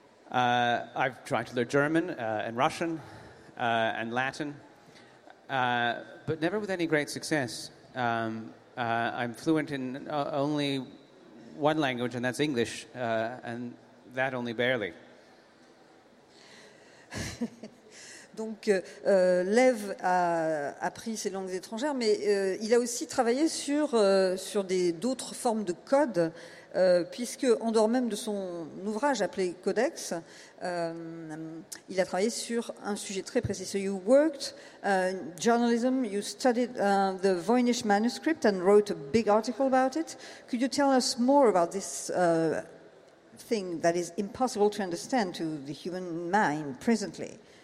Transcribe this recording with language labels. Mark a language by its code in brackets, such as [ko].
[en] I've tried to learn German and Russian. And Latin, but never with any great success. I'm fluent in only one language, and that's English, and that only barely. [fr] Donc, Lev a appris ces langues étrangères, mais il a aussi travaillé sur d'autres formes de code, puisque, en dehors même de son ouvrage appelé Codex, il a travaillé sur un sujet très précis. [en] So you worked in journalism, you studied the Voynich manuscript and wrote a big article about it. Could you tell us more about this thing that is impossible to understand to the human mind presently?